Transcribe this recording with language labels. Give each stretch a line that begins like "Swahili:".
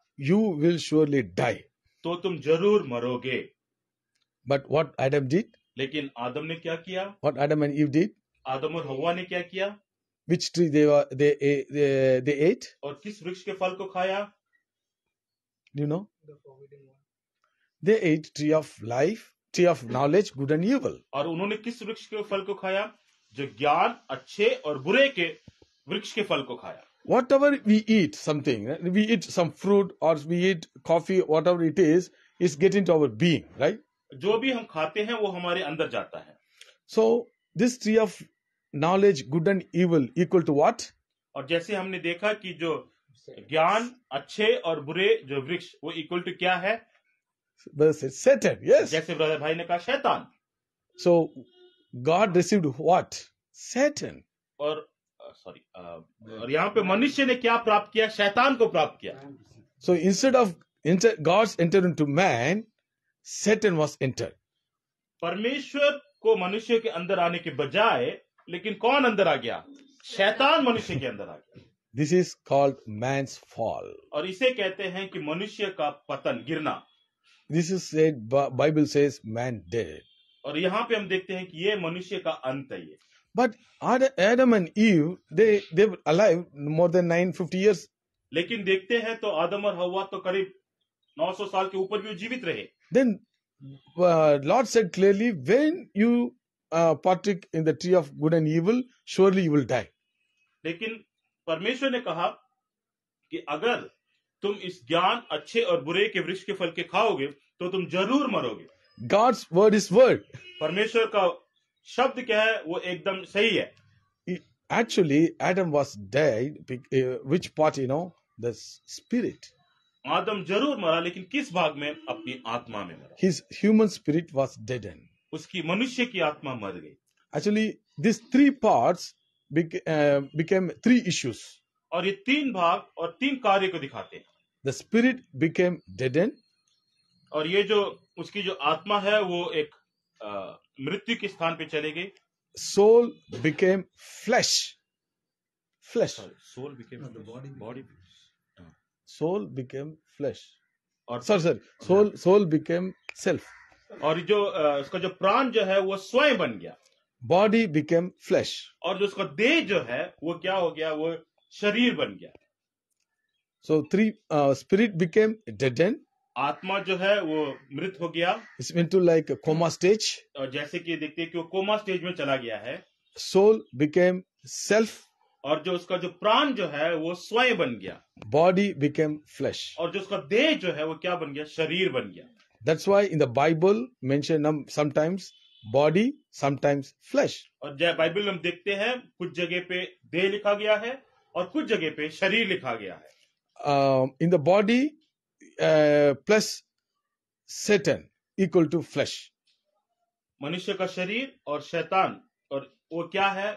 English: you will surely die,
Hindi: तो तुम जरूर मरोगे.
English: but what Adam did,
Hindi: लेकिन आदम ने क्या किया?
English: what Adam and Eve did,
Hindi: आदम और हव्वा ने क्या किया?
English: which tree they ate,
Hindi: और किस वृक्ष के फल को खाया?
English: You know, the forbidden one. They ate tree of life, tree of knowledge, good and evil.
Hindi: और उन्होंने किस वृक्ष के फल को खाया? जो ज्ञान, अच्छे और बुरे के वृक्ष के फल को खाया.
English: Whatever we eat, something, we eat some fruit or we eat coffee, whatever it is getting into our being, right?
Hindi: जो भी हम खाते हैं वो हमारे अंदर जाता है.
English: So this tree of knowledge, good and evil, equal to what?
Hindi: और जैसे हमने देखा कि जो ज्ञान, अच्छे और बुरे जो वृक्ष, वो
English: equal to
Hindi: क्या है?
English: Satan. Yes,
Hindi: जैसे ब्रदर भाई ने कहा, शैतान.
English: So God received what? Satan.
Hindi: और सॉरी, और यहाँ पे मनुष्य ने क्या प्राप्त किया? शैतान को प्राप्त किया.
English: So instead of God's entering to man, Satan was entered.
Hindi: परमेश्वर को मनुष्य के अंदर आने के बजाय, लेकिन कौन अंदर आ गया? शैतान मनुष्य के अंदर आ गया.
English: This is called man's fall.
Hindi: और इसे कहते हैं कि मनुष्य का पतन, गिरना.
English: This is said, Bible says man dead.
Hindi: और यहाँ पे हम देखते हैं कि ये मनुष्य का अंत है ये.
English: But Adam and Eve, they were alive more than 950 years.
Hindi: लेकिन देखते हैं तो आदम और हव्वा तो करीब 900 साल के ऊपर भी जीवित रहे.
English: Then Lord said clearly, when you partake in the tree of good and evil, surely you will die.
Hindi: लेकिन परमेश्वर ने कहा कि अगर तुम इस ज्ञान, अच्छे और बुरे के वृक्ष के फल के खाओगे तो तुम जरूर मरोगे.
English: God's word is word.
Hindi: परमेश्वर का शब्द क्या है? वो एकदम सही है.
English: Actually Adam was dead, which part, you know, the spirit.
Hindi: आदम जरूर मरा, लेकिन किस भाग में? अपनी आत्मा में मरा.
English: his human spirit was dead, and
Hindi: उसकी मनुष्य की आत्मा मर गई.
English: Actually this three parts became three issues.
Hindi: और ये तीन भाग और तीन कार्य को दिखाते हैं.
English: The spirit became deadened.
Hindi: और ये जो उसकी जो आत्मा है वो एक मृत्यु के स्थान पे चले गई.
English: Soul became flesh. Flesh. Soul became the body. Body. Soul became flesh. और sorry. Soul became self.
Hindi: और जो उसका जो प्राण जो है वो स्वयं बन गया.
English: Body became flesh.
Hindi: और जो उसका देह जो है वो क्या हो गया? वो शरीर बन गया.
English: So three spirit became deadened.
Hindi: आत्मा जो है वो मृत हो गया.
English: It went to like a coma stage.
Hindi: और जैसे कि देखते हैं कि वो कोमा स्टेज में चला गया है.
English: Soul became self.
Hindi: और जो उसका जो प्राण जो है वो स्वयं बन गया.
English: Body became flesh.
Hindi: और जो उसका देह जो है वो क्या बन गया? शरीर बन गया.
English: That's why in the Bible mention sometimes body, sometimes flesh.
Hindi: और जय बाइबल हम देखते हैं कुछ जगह पे देह लिखा गया है और कुछ जगह पे शरीर लिखा गया है.
English: In the body plus Satan equal to flesh.
Hindi: मनुष्य का शरीर और शैतान, और वो क्या है?